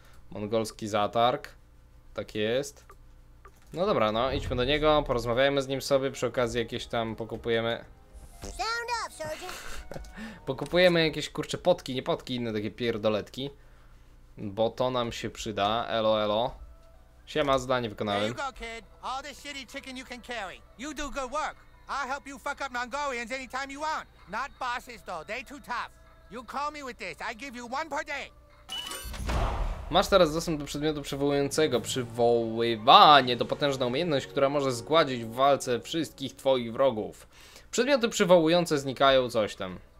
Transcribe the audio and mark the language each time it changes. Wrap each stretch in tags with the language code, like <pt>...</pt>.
<pl>Mongolski zatarg. Tak jest. No dobra, no idźmy do niego, porozmawiajmy z nim sobie, przy okazji jakieś tam pokupujemy.</pl> <en>Sound up, sergeant.</en> <pl>Pokupujemy jakieś kurcze potki, nie potki, inne takie pierdoletki. Bo to nam się przyda, elo elo. Siema, zadanie wykonałem.</pl> <en>There you go, kid. All this shitty chicken you can carry. You do good work. I'll help you fuck up Mongolians anytime you want. Not bosses though, they too tough. You call me with this, I give you one per day.</en> <pl>Masz teraz dostęp do przedmiotu przywołującego. Przywoływanie to potężna umiejętność, która może zgładzić w walce wszystkich twoich wrogów. Przedmioty przywołujące znikają coś tam.</pl>